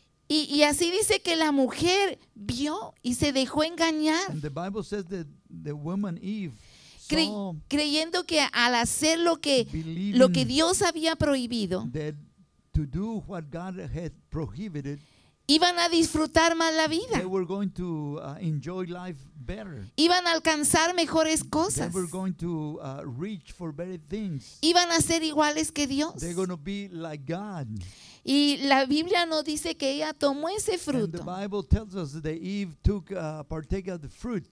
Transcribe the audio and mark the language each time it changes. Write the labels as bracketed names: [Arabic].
[Spanish] Y así dice que la mujer vio y se dejó engañar. [English] And the Bible says that the woman Eve [Spanish] creyendo que al hacer lo que Dios había prohibido [English] to do what God had prohibited, [Spanish] iban a disfrutar más la vida. [English] They were going to enjoy life better. [Spanish] Iban a alcanzar mejores cosas. [English] They were going to reach for better things. [Spanish] Iban a ser iguales que Dios. [English] They're going to be like God. [Spanish] Y la Biblia no dice que ella tomó ese fruto. [English] And the Bible tells us that Eve took partake of the fruit.